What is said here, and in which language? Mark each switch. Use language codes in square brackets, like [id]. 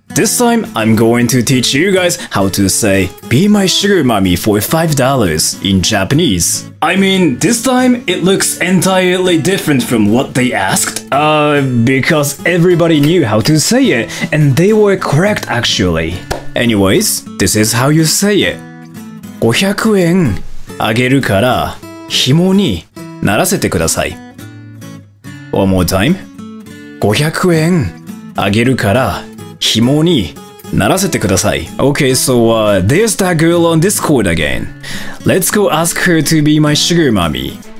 [en] This time, I'm going to teach you guys how to say Be my sugar mommy for $5 in Japanese. I mean, this time, it looks entirely different from what they asked. Because everybody knew how to say it, and they were correct actually. Anyways, this is how you say it. [ja] 500円あげるから紐にならせてください。 [en] One more time. [ja] 500円あげるから紐にならせてください。 [en] Okay, so there's that girl on Discord again. Let's go ask her to be my sugar mommy.